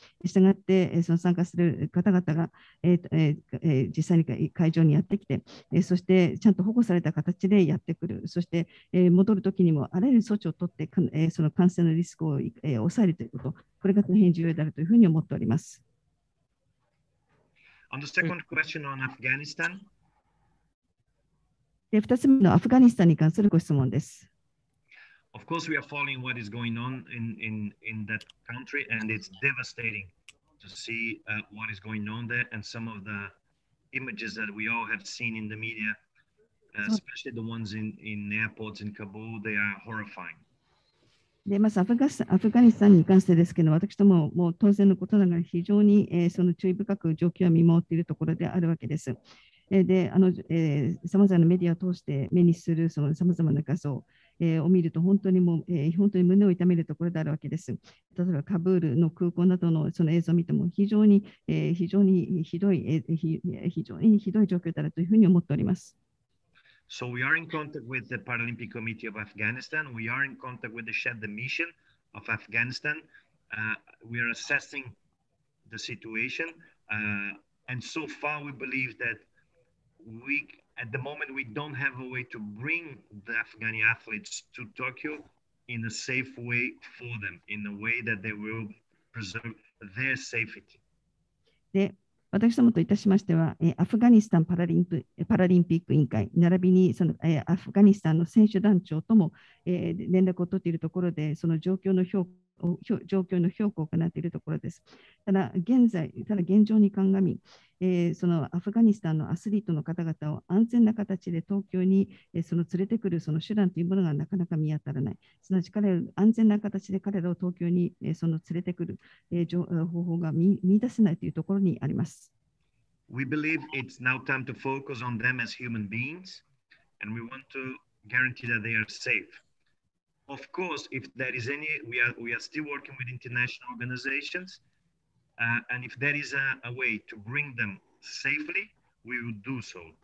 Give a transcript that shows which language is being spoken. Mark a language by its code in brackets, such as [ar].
[ja] したがってその参加する方々が実際に会場にやってきて、そしてちゃんと保護された形でやってくる、そして戻るときにもあらゆる措置を取ってその感染のリスクを抑えるということ、これが大変重要であるというふうに思っております。 [en] On the second question on Afghanistan. [ja] で、2つ目のアフガニスタンに関するご質問です。 [en] Of course, we are following what is going on in that country, and it's devastating to see what is going on there and some of the images that we all have seen in the media, especially the ones in airports in Kabul, they are horrifying. [ja] でまずアフガニスタンに関してですけど、私ども もう当然のことながら非常に、その注意深く状況を見守っているところであるわけです。で、さまざまなメディアを通して目にするそのさまざまな画像を見ると本当にもう、本当に胸を痛めるところであるわけです。例えばカブールの空港などのその映像を見ても非常にひどい状況だというふうに思っております。 [en] So we are in contact with the Paralympic Committee of Afghanistan. We are in contact with the Shed the Mission of Afghanistan. We are assessing the situation. And so far, we believe that at the moment, we don't have a way to bring the Afghani athletes to Tokyo in a safe way for them, in a way that they will preserve their safety. Yeah. [ja] 私どもといたしましては、アフガニスタンパラリンピック委員会、並びにそのアフガニスタンの選手団長とも連絡を取っているところで、その状況の評価を行っているところです。ただ現状に鑑み、そのアフガニスタンのアスリートの方々を安全な形で東京にその連れてくるその手段というものがなかなか見当たらない。すなわち彼ら安全な形で彼らを東京にその連れてくる方法が見出せないというところにあります。 [en] We believe it's now time to focus on them as human beings, and we want to guarantee that they are safe. Of course, if there is any, we are still working with international organizations, and if there is a way to bring them safely, we will do so.